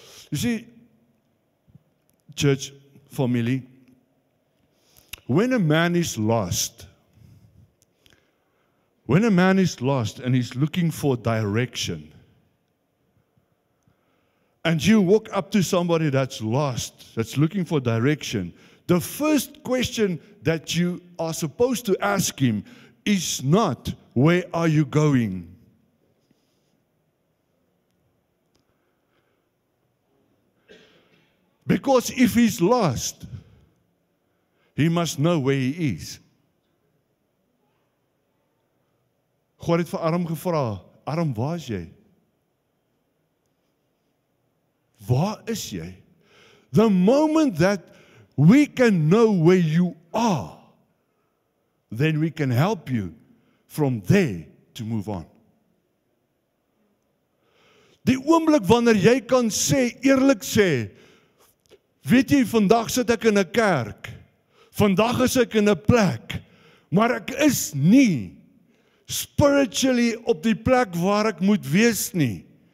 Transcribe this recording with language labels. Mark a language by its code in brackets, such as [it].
[en] You see, church family, when a man is lost, when a man is lost and he's looking for direction, and you walk up to somebody that's lost, that's looking for direction, the first question that you are supposed to ask him is not, where are you going? Because if he's lost, he must know where he is. [af] God het vir Aram gevra, Aram, waar is jy? Waar is jy? [en] The moment that we can know where you are, then we can help you from there to move on. [af] Die oomblik wanneer jy kan sê, eerlik sê, weet jy, vandag sit ek in 'n kerk, vandag is ek in 'n plek, maar ek is nie spiritually op die plek waar ek moet wees nie.